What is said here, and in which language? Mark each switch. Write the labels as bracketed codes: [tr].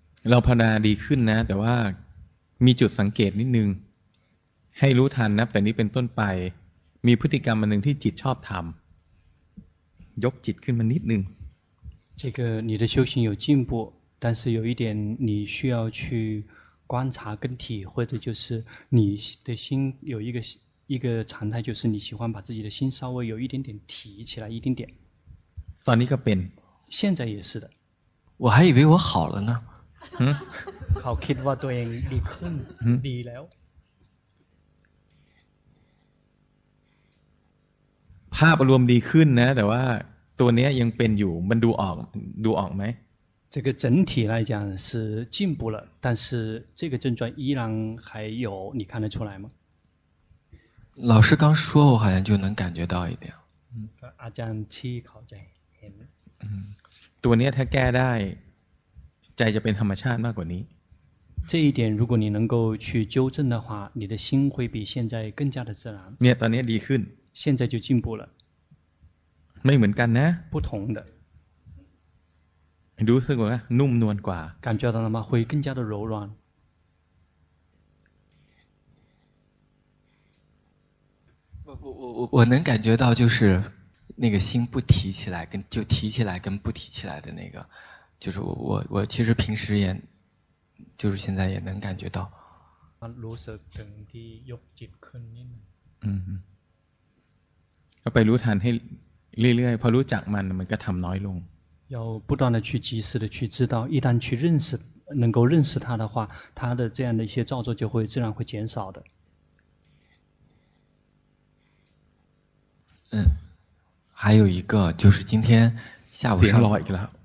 [th] เราภาวนาดีขึ้นนะแต่ว่ามีจุดสังเกตนิดนึงให้รู้ทันนะแต่นี้เป็นต้นไปมีพฤติกรรมอันหนึ่งที่จิตชอบทำยกจิตขึ้นมานิดนึง [zh] 这个你的修行有进步但是有一点你需要去观察跟体会的就是你的心有一个常态就是你喜欢把自己的心稍微有一点点提起来一点点 [th] ตอนนี้ก็เป็น [zh] 现在也是的我还以为我好了呢 [th] เขาคิดว่าตัวเองดีขึ้นดีแล้ว ภาพรวมดีขึ้นนะแต่ว่าตัวนี้ยังเป็นอยู่มันดูออกไหม [zh] 这个整体来讲是进步了但是这个症状依然还有你看得出来吗老师刚说我好像就能感觉到一点 [th] อาจารย์ที่เขาจะเห็น ตัวนี้ถ้าแก้ได้ใจจะเป็นธรรมชาติมากกว่านี้ [zh] 这一点如果你能够去纠正的话，你的心会比现在更加的自然。 [th] เนี่ยตอนนี้ดีขึ้น。 [zh] 现在就进步了。 [th] ไม่เหมือนกันนะ。 [zh] 不同的。 [th] รู้สึกว่านุ่มนวลกว่า。 [zh] 感觉到了吗？会更加的柔软。我能感觉到就是那个心不提起来跟就提起来跟不提起来的那个，就是我其实平时也就是现在也能感觉到。 [th] รู้สึกถึงที่ยกจิตขึ้นนิดนึง。 [zh] 嗯嗯。要 [th] ไปรู้ทันให้เรื่อยๆพอรู้จักมันมันก็ทำน้อยลง。 [zh] 要不断的去及时的去知道，一旦去认识，能够认识它的话，它的这样的一些造作就会自然会减少的。嗯，还有一个就是今天下午上来了，